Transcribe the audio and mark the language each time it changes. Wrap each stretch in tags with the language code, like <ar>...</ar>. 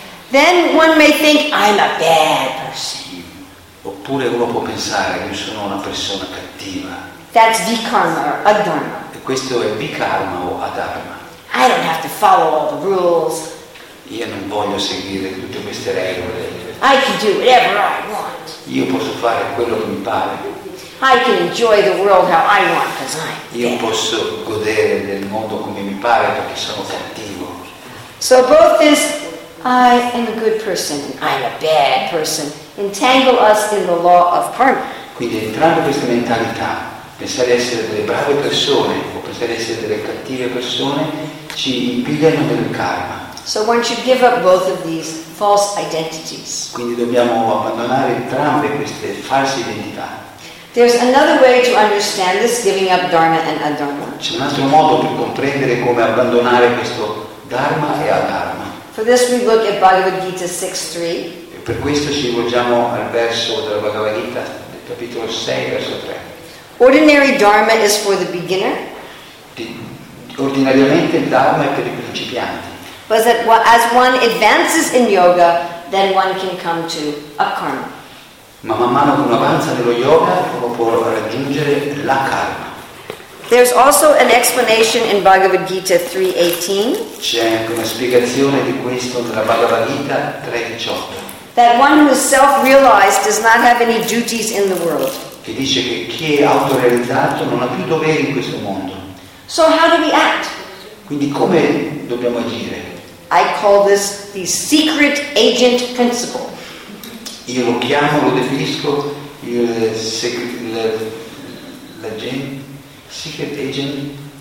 <en>Then one may think, I'm a bad person.</en> <it>Oppure uno può pensare, io sono una persona cattiva.</it> <en>That's vikarma or adharma.</en> <it>E questo è vikarma o adharma.</it> <en>I don't have to follow all the rules.</en> <it>Io non voglio seguire tutte queste regole.</it> <en>I can do whatever I want.</en> <it>Io posso fare quello che mi pare.</it> <en>I can enjoy the world how I want because I'm</en> <it>Io posso godere del mondo come mi pare perché sono cattivo.</it> <en>So both this I am a good person and I'm a bad person entangle us in the law of karma.</en> <it>Quindi entrando questa mentalità, pensare di essere delle brave persone o pensare di essere delle cattive persone ci impigliano del karma.</it> <en>So one should give up both of these false identities.</en> <it>Quindi dobbiamo abbandonare entrambe queste false identità.</it> <en>There's another way to understand this, giving up dharma and adharma.</en> <it>C'è un altro modo per comprendere come abbandonare questo dharma e adharma.</it> <en>For this we look at Bhagavad Gita 6:3.</en> <it>E per questo ci rivolgiamo al verso della Bhagavad Gita, del capitolo 6, verso 3.</it> <en>Ordinary dharma is for the beginner.</en> <it>Ordinariamente il dharma è per i principianti.</it> <en>But as one advances in yoga, then one can come to akarma.</en> <it>Ma man mano che uno avanza nello yoga uno può raggiungere la karma.</it> <en>There's also an explanation in Bhagavad Gita 3:18.</en> <it>C'è anche una spiegazione di questo nella Bhagavad Gita 3:18.</it> <en>That one who is self-realized does not have any duties in the world.</en> <it>Che dice che chi è autorealizzato non ha più doveri in questo mondo.</it> <en>So how do we act?</en> <it>Quindi come dobbiamo agire?</it> <en>I call this the secret agent principle.</en> <it>Io lo chiamo, lo definisco il</it> <en>secret agent.</en>